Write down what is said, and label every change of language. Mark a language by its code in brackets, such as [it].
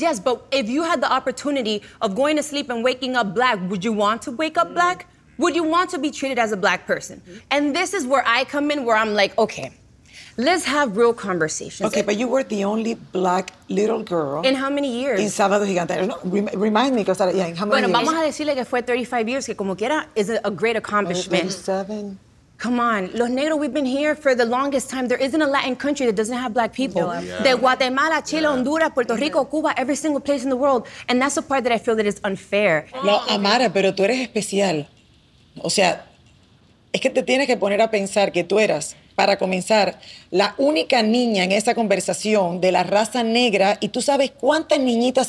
[en] Yes, but if you had the opportunity of going to sleep and waking up black, would you want to wake up black? Would you want to be treated as a black person? And this is where I come in, where I'm like, okay, let's have real conversations. Okay, but you were the only black little girl. In how many years? In Sábado Gigante. Remind me, because in how many years? [es] Bueno, vamos a decirle que fue 35 years, que como quiera, [en] is a great accomplishment. 37. Come on. [es] Los negros, [en] we've been here for the longest time. There isn't a Latin country that doesn't have black people. Yeah. De Guatemala, Chile, Honduras, Puerto Rico, Cuba, every single place in the world. And that's the part that I feel that is unfair. [es] No, Amara, pero tú eres especial. O sea, es que te tienes que poner a pensar que tú eras, para comenzar, la única niña en esa conversación de la raza negra, y tú sabes cuántas niñitas